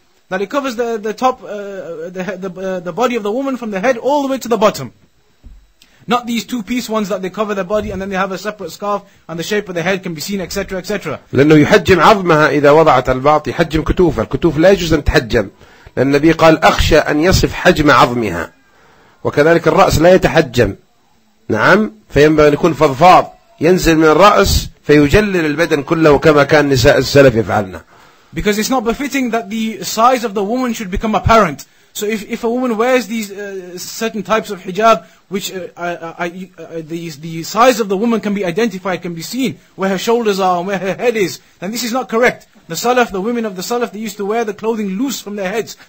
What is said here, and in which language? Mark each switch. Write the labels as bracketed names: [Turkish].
[English] That it covers the top, the body of the woman from the head all the way to the bottom. Not these two-piece ones that they cover their body and then they have a separate scarf and the shape of the head can be seen, etc., etc. [Arabic] لأنه يحجم عظمها إذا وضعت الباطي يحجم كتوفها. الكتوف لا يجوز أن تحجم. لأن النبي قال أخشى أن يصف حجم عظمها. وكذلك الرأس لا يتحجم. نعم، فينبغي أن يكون فضفاض ينزل من الرأس فيجلل البدن كله كما كان نساء السلف يفعلنا. [English] Because it's not befitting that the size of the woman should become apparent. So if a woman wears these certain types of hijab, which the size of the woman can be identified, can be seen, where her shoulders are and where her head is, then this is not correct. The Salaf, the women of the Salaf, they used to wear the clothing loose from their heads.